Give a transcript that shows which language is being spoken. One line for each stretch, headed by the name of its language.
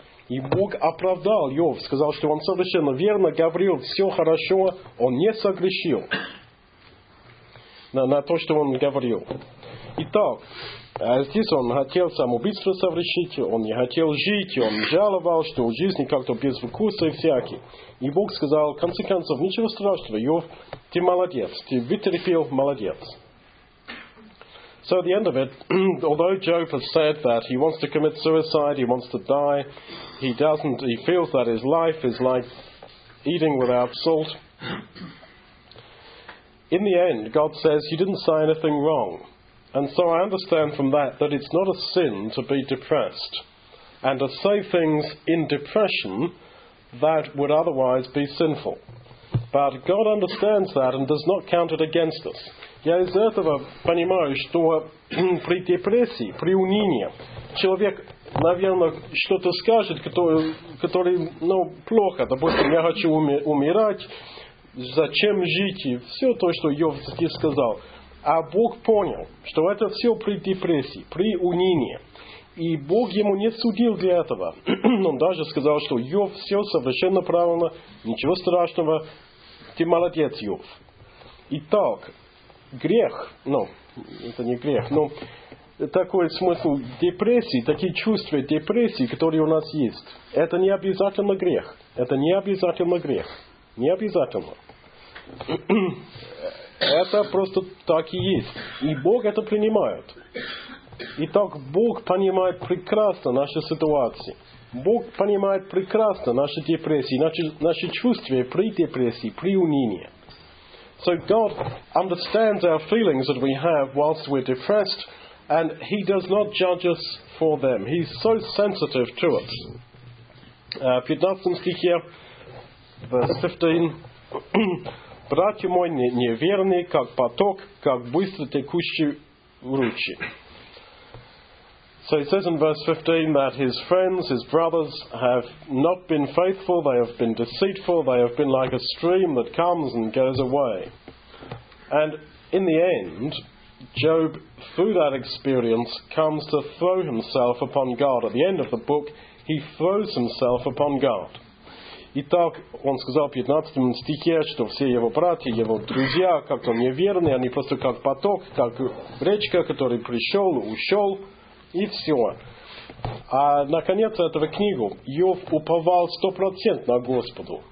Russian: И Бог оправдал Иов, сказал, что он совершенно верно говорил, все хорошо, он не согрешил на то, что он говорил. Итак, здесь он хотел самоубийство совершить, он не хотел жить, он жаловал, что жизнь как-то без вкуса и всякий. И Бог сказал, в конце концов, ничего страшного, Иов, ты молодец, ты вытерпел, молодец.
English: So at the end of it, although Job has said that he wants to commit suicide, he wants to die, he feels that his life is like eating without salt. In the end, God says he didn't say anything wrong. And so I understand from that that it's not a sin to be depressed and to say things in depression that would otherwise be sinful. But God understands that and does not count it against us.
Russian: Я из этого понимаю, что при депрессии, при унынии, человек, наверное, что-то скажет, который плохо. Допустим, я хочу умирать, зачем жить, и все то, что Иов здесь сказал. А Бог понял, что это все при депрессии, при унынии. И Бог ему не судил для этого. Он даже сказал, что Иов все совершенно правильно, ничего страшного, ты молодец, Иов. Итак, грех, это не грех, но такой смысл депрессии, такие чувства депрессии, которые у нас есть, это не обязательно грех. Это не обязательно грех. Не обязательно. Это просто так и есть. И Бог это принимает. Итак, Бог понимает прекрасно наши ситуации. Бог понимает прекрасно наши депрессии, наши чувства при депрессии, при унынии.
English: So God understands our feelings that we have whilst we're depressed, and he does not judge us for them. He's so sensitive to us.
Russian: 15 стих,
English: verse 15.
Russian: Братья мои неверны, как поток, как быстро текущие ручьи.
English: So it says in verse 15 that his friends, his brothers, have not been faithful, they have been deceitful, they have been like a stream that comes and goes away. And in the end, Job, through that experience, comes to throw himself upon God. At the end of the book, he throws himself upon God.
Russian: Итак, он сказал в 15 стихе, что все его братья, его друзья как-то неверные, они просто как поток, как речка, который пришел, ушел. И все. А наконец этого книгу Иов уповал 100% на Господу.